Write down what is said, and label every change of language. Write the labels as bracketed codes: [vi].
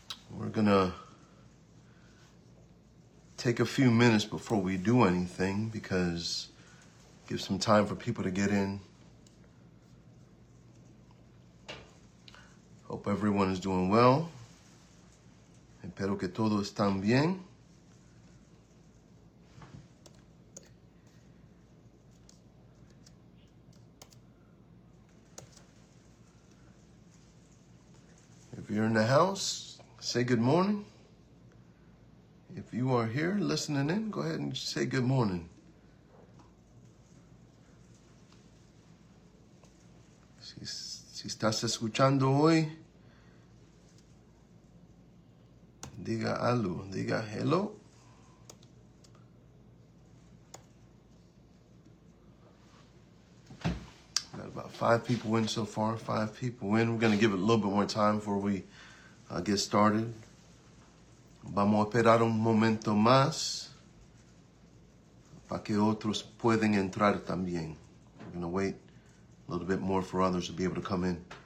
[en] We're gonna take a few minutes before we do anything because give some time for people to get in. Hope everyone is doing well. [es] Espero que todos están bien. [en] If you're in the house, say good morning. If you are here listening in, go ahead and say good morning. [es] Si estás escuchando hoy, diga algo, diga [en] hello. About five people in so far, five people in. We're going to give it a little bit more time before we get started. [es] Vamos a esperar un momento más para que otros puedan entrar también. [en] We're going to wait a little bit more for others to be able to come in.